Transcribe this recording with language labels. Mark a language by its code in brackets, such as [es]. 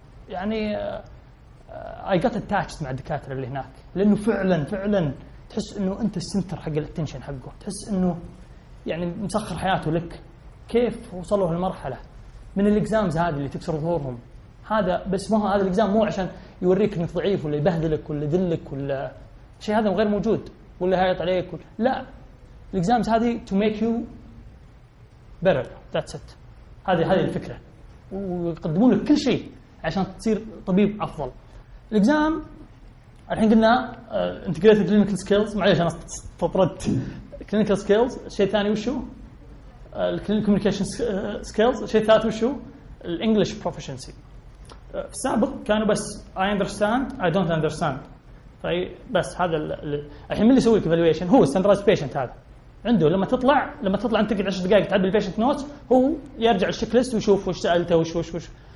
[ar] يعني [en] I got attached [ar] مع الدكاترة اللي هناك، لأنه فعلاً فعلاً تحس إنه أنت السنتر حق الاتنشن حقه، تحس إنه يعني مسخر حياته لك. كيف وصلوا هالمرحلة من الإكزامز هذه اللي تكسر ظهورهم؟ هذا بس ما هذا الإكزام مو عشان يوريك إنك ضعيف ولا يبهذلك ولا يذلك ولا شيء، هذا غير موجود ولا هايط عليك ولا. لا، الإكزامز هذه [en] to make you better, that's it. [ar] هذه الفكرة، ويقدمون لك كل شيء عشان تصير طبيب أفضل. الإكزام الحين قلنا [en] integrated clinical skills، [ar] معليش أنا استطردت clinical skills. شيء ثاني وشو؟ [en] clinical communication skills. [ar] شيء ثالث وشو؟ [en] English proficiency. [ar] في السابق كانوا بس [en] I understand, I don't understand. [ar] فأي بس هذا الحين من اللي يسوي evaluation؟ هو [en] standardized patient. [ar] هذا عنده لما تطلع، لما تطلع انت تقعد 10 دقائق تعبي البيشنت نوتس، هو يرجع الشيك ليست ويشوف وش سالته وش وش وش.